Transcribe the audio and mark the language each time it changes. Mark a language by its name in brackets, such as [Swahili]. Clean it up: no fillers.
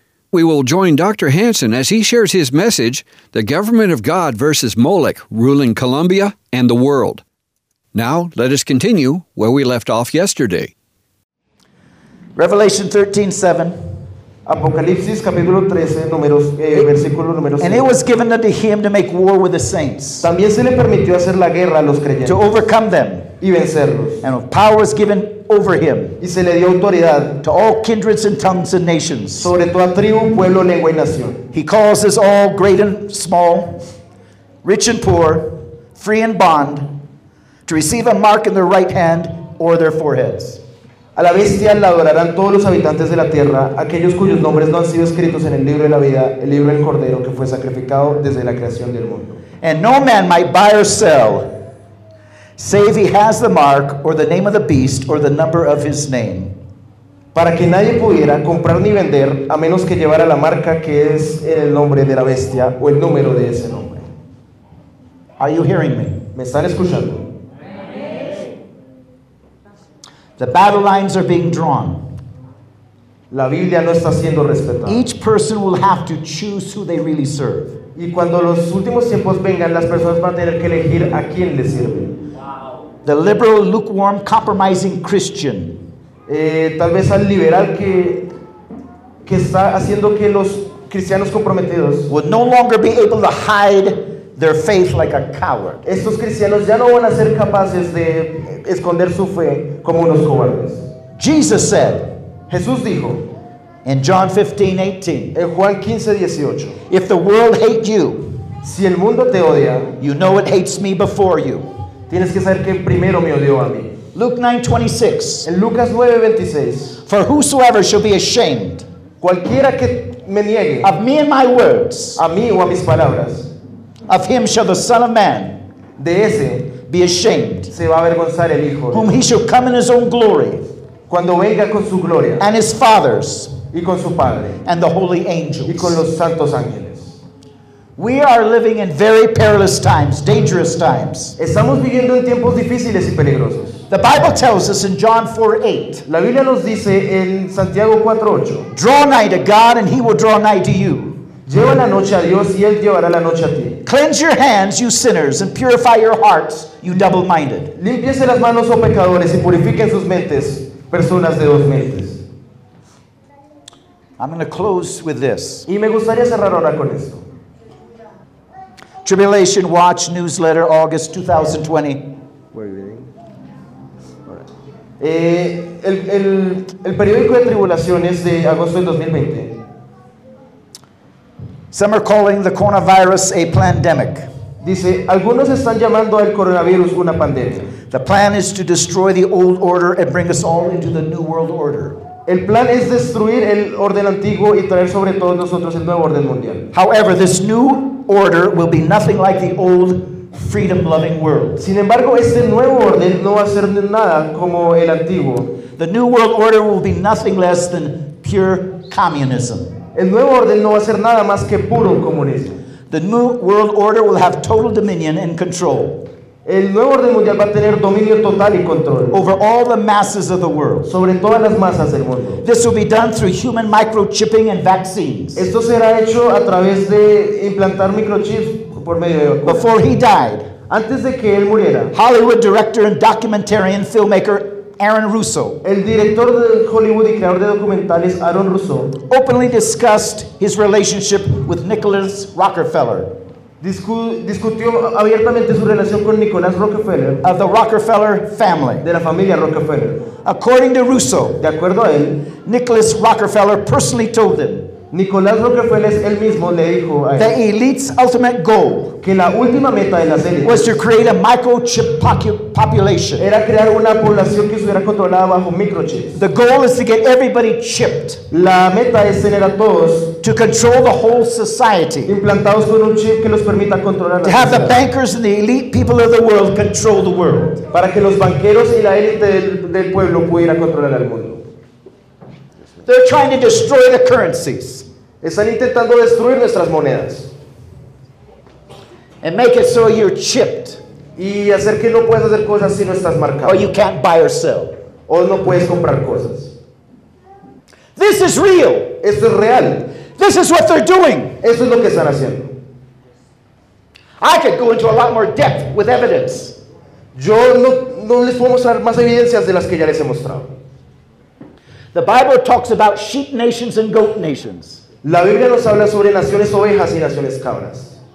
[English] We will join Dr. Hansen as he shares his message, The Government of God versus Moloch Ruling Colombia and the World. Now, let us continue where we left off yesterday. Revelation 13:7. [Spanish] Apocalipsis capítulo 13, números, versículo número 6. [English] And it was given unto him to make war with the saints. [Spanish] También se le permitió hacer la guerra a los creyentes. [English] To overcome them. [Spanish] Y vencerlos. [English] And power is given over him. [Spanish] Y se le dio autoridad. [English] To all kindreds and tongues and nations. [Spanish] Sobre toda tribu, pueblo, lengua y nación. [English] He calls us all, great and small, rich and poor, free and bond, to receive a mark in their right hand or their foreheads. [Spanish] A la bestia la adorarán todos los habitantes de la tierra, aquellos cuyos nombres no han sido escritos en el libro de la vida, el libro del cordero que fue sacrificado desde la creación del mundo. [English] And no man might buy or sell, save he has the mark or the name of the beast or the number of his name. [Spanish] Para que nadie pudiera comprar ni vender a menos que llevara la marca que es en el nombre de la bestia o el número de ese nombre. [English] Are you hearing me? [Spanish] ¿Me están escuchando? [English] The battle lines are being drawn. [Spanish] La Biblia no está siendo respetada. [English] Each person will have to choose who they really serve. [Spanish] Y cuando los últimos tiempos vengan, las personas van a tener que elegir a quién le sirven. [English] Wow. The liberal, lukewarm, compromising Christian. [Spanish] Tal vez al liberal que está haciendo que los cristianos comprometidos [English] would no longer be able to hide their faith like a coward. [Spanish] Estos cristianos ya no van a ser capaces de esconder su fe como unos cobardes. [English] Jesus said, [Spanish] Jesús dijo, [English] in John 15:18, [Spanish] en Juan 15:18, [English] if the world hate you, [Spanish] si el mundo te odia, [English] you know it hates me before you. [Spanish] Tienes que saber que primero me odió a mí. [English] Luke 9:26, [Spanish] en Lucas 9:26, [English] for whosoever shall be ashamed, [Spanish] cualquiera que me niegue, [English] of me and my words, [Spanish] a mí o a mis palabras, [English] of him shall the Son of Man, [Spanish] de ese, [English] be ashamed, [Spanish] se va a avergonzar el Hijo, [English] whom he shall come in his own glory, [Spanish] cuando venga con su gloria, [English] and his Father's, [Spanish] y con su Padre, [English] and the holy angels, [Spanish] y con los santos ángeles. [English] We are living in very perilous times, dangerous times. [Spanish] Estamos viviendo en tiempos difíciles y peligrosos. [English] The Bible tells us in John 4:8. [Spanish] La Biblia nos dice en Santiago 4:8. [English] Draw nigh to God, and he will draw nigh to you. [Spanish] Lleva la noche a Dios y Él llevará la noche a ti. [English] Cleanse your hands, you sinners, and purify your hearts, you double-minded. [Spanish] Límpiese las manos, oh pecadores, y purifiquen sus mentes, personas de dos mentes. [English] I'm going to close with this. [Spanish] Y me gustaría cerrar ahora con esto. [English] Tribulation Watch Newsletter, August 2020. Where are you reading? All right. [Spanish] El periódico de tribulaciones de agosto del 2020. [English] Some are calling the coronavirus a pandemic. [Spanish] Dice, algunos están llamando al coronavirus una pandemia. [English] The plan is to destroy the old order and bring us all into the new world order. [Spanish] El plan es destruir el orden antiguo y traer sobre todos nosotros el nuevo orden mundial. [English] However, this new order will be nothing like the old freedom-loving world. [Spanish] Sin embargo, este nuevo orden no va a ser nada como el antiguo. [English] The new world order will be nothing less than pure communism. [Spanish] El nuevo orden no va a ser nada más que puro comunismo. [English] The new world order will have total dominion and control. [Spanish] El nuevo orden mundial va a tener dominio total y control. [English] Over all the masses of the world. [Spanish] Sobre todas las masas del mundo. [English] This will be done through human microchipping and vaccines. [Spanish] Esto será hecho a través de implantar microchips por medio de vacunas. [English] Before he died, [Spanish] antes de que él muriera, [English] Hollywood director and documentarian filmmaker Aaron Russo, [Spanish] el director de Hollywood y creador de documentales Aaron Russo, [English] openly discussed his relationship with Nicholas Rockefeller. [Spanish] Discutió abiertamente su relación con Nicholas Rockefeller, [English] of the Rockefeller family, [Spanish] de la familia Rockefeller. [English] According to Russo, [Spanish] de acuerdo a él, [English] Nicholas Rockefeller personally told them, [Spanish] Nicholas Rockefeller él mismo le dijo a él, [English] the elite's ultimate goal, [Spanish] que la última meta de las élites, [English] was to create a microchip population, [Spanish] era crear una población que estuviera controlada bajo microchips. [English] The goal is to get everybody chipped, [Spanish] la meta es tener a todos, [English] to control the whole society, [Spanish] implantados con un chip que los permita controlar la sociedad, [English] to have the bankers and the elite people of the world control the world, [Spanish] para que los banqueros y la élite del pueblo pudiera controlar el mundo. [English] They're trying to destroy the currencies. [Spanish] Están intentando destruir nuestras monedas. [English] And make it so you're chipped. [Spanish] Y hacer que no puedes hacer cosas si no estás marcado. [English] Or you can't buy or sell. [Spanish] O no puedes comprar cosas. [English] This is real. [Spanish] Esto es real. [English] This is what they're doing. [Spanish] Esto es lo que están haciendo. [English] I could go into a lot more depth with evidence. [Spanish] Yo no les puedo mostrar más evidencias de las que ya les he mostrado. [English] The Bible talks about sheep nations and goat nations. [Spanish] La Biblia nos habla sobre naciones ovejas y naciones cabras.